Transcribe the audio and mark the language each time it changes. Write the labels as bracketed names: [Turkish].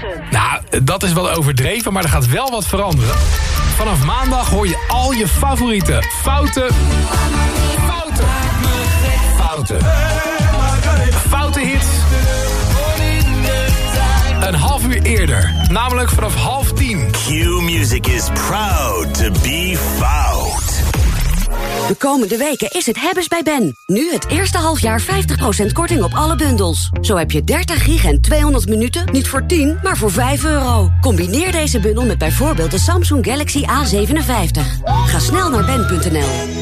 [Dutch] Nou, dat is wel overdreven, maar er gaat wel wat veranderen. Vanaf maandag hoor je al je favoriete foute... Foute hits. Een half uur eerder, namelijk vanaf 9:30. [English] Q Music is proud to be fout. [Dutch] De komende weken is het hebbes bij Ben. Nu het eerste halfjaar 50% korting op alle bundels. Zo heb je 30 gig en 200 minuten, niet voor 10, maar voor 5 euro. Combineer deze bundel met bijvoorbeeld de Samsung Galaxy A57. Ga snel naar ben.nl.